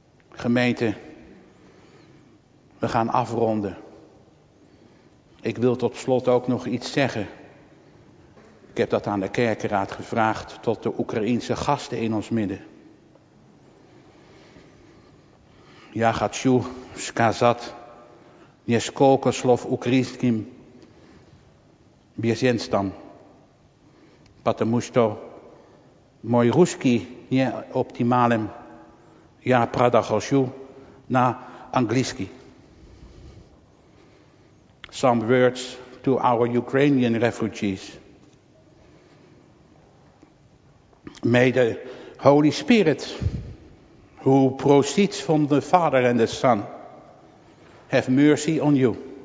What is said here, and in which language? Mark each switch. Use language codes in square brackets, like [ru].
[nl] Gemeente, we gaan afronden. Ik wil tot slot ook nog iets zeggen. Ik heb dat aan de kerkenraad gevraagd tot de Oekraïense gasten in ons midden. [ru] Я хочу сказать несколько слов украинским беженцам, потому что мой русский не оптимален. Я продолжу на английский. [en] Some words to our Ukrainian refugees. May the Holy Spirit, who proceeds from the Father and the Son, have mercy on you,